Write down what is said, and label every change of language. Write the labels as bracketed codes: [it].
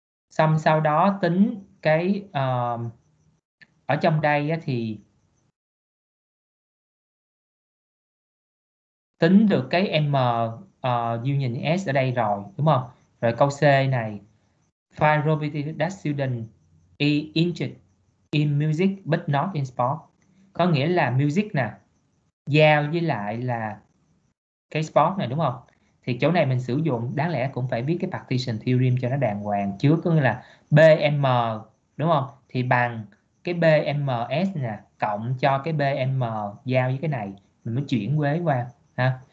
[vi] Xong sau đó tính cái ở trong đây á, thì tính được cái M view nhìn S ở đây rồi, đúng không? Rồi câu C này, [en] find probability that student is interested in music but not in sport. [vi] Có nghĩa là music nè, giao với lại là cái sport này, đúng không? thì chỗ này mình sử dụng đáng lẽ cũng phải viết cái partition theorem cho nó đàng hoàng trước, có nghĩa là BM đúng không, thì bằng cái BMS nè cộng cho cái BM giao với cái này, mình mới chuyển quế qua ha.